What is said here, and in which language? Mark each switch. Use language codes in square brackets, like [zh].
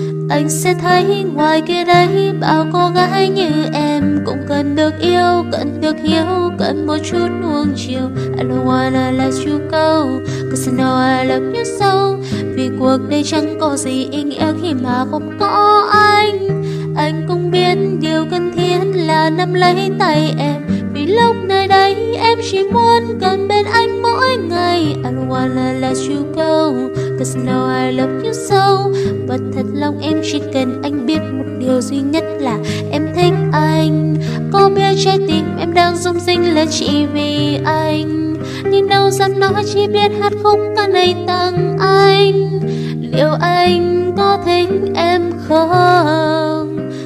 [vi] Anh sẽ thấy ngoài kia đấy bao cô gái như em, cũng cần được yêu, cần được hiểu, cần một chút nuông chiều. [en] I don't wanna let you go, cause I know I love you so. [vi] Vì cuộc đời chẳng có gì ý nghĩa khi mà không có anh. Anh cũng biết điều cần thiết là nắm lấy tay em, vì lúc nơi đây em chỉ muốn gần bên anh mỗi ngày. [en] I don't wanna let you go, cause I know I love you so. [vi] Và thật lòng em chỉ cần anh biết một điều duy nhất là em thích anh. Có biết trái tim em đang rung rinh là chỉ vì anh, nhưng đâu dám nói, chỉ biết hát khúc ca này tặng anh. Liệu anh có thích em không?